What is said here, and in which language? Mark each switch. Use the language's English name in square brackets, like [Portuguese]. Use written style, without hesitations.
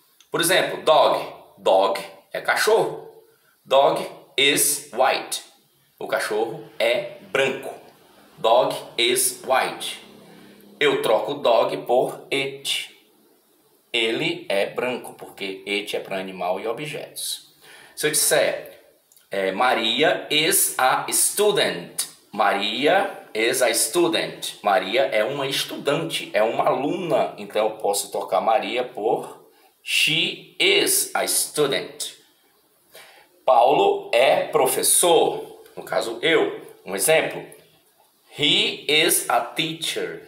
[Portuguese] Por exemplo, dog. Dog é cachorro. [English] Dog is white. [Portuguese] O cachorro é branco. [English] Dog is white. [Portuguese] Eu troco dog por it. Ele é branco, porque it é para animal e objetos. Se eu disser [English] Maria is a student. Maria is a student. [Portuguese] Maria é uma estudante, é uma aluna. Então eu posso trocar Maria por [English] she is a student. [Portuguese] Paulo é professor, no caso eu. Um exemplo, [English] he is a teacher.